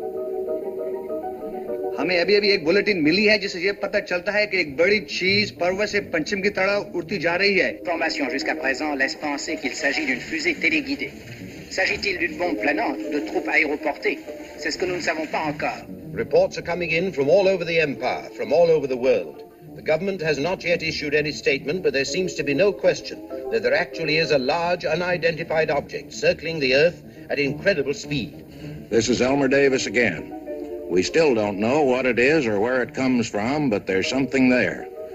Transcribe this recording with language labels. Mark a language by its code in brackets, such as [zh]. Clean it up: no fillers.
[hi] हमें अभी अभी एक बुलेटिन मिली है जिससे ये पता चलता है कि एक बड़ी चीज पर्वत से पश्चिम की तरफ उड़ती जा रही है। [fr] Information jusqu'à présent laisse penser qu'il s'agit d'une fusée téléguidée. S'agit-il d'une bombe planante, de troupes aéroportées? C'est ce que nous ne savons pas encore. [en] Reports are coming in from all over the empire, from all over the world. The government has not yet issued any statement, but there seems to be no question that there actually is a large unidentified object circling the Earth at incredible speed. This is Elmer Davis again. We still don't know what it is or where it comes from, but there's something there.